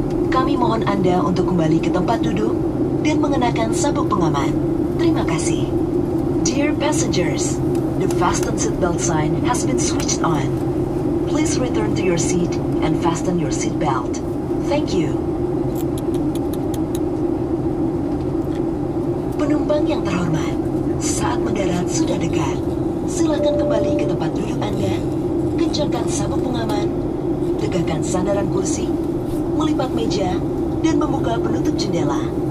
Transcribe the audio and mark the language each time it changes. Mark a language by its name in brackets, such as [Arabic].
[Indonesian] Kami mohon Anda untuk kembali ke tempat duduk dan mengenakan sabuk pengaman. Terima kasih. [English] Dear passengers, the fasten seatbelt sign has been switched on. Please return to your seat and fasten your seatbelt. Thank you. [Indonesian] Penumpang yang terhormat, saat mendarat sudah dekat. Silakan kembali ke tempat duduk Anda, kencangkan sabuk pengaman, tegakkan sandaran kursi, melipat meja, dan membuka penutup jendela.